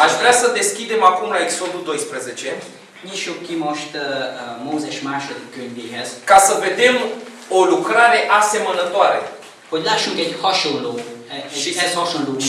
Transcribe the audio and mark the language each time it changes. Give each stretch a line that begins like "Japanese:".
Romanian: Aș vrea să deschidem acum la Exodul 12.
Hungarian: Nyissuk ki most Mózes második könyvéhez.
Romanian: Ca să vedem o lucrare asemănătoare.
Hungarian: Hogy lássunk egy hasonló, ehhez hasonló munkát.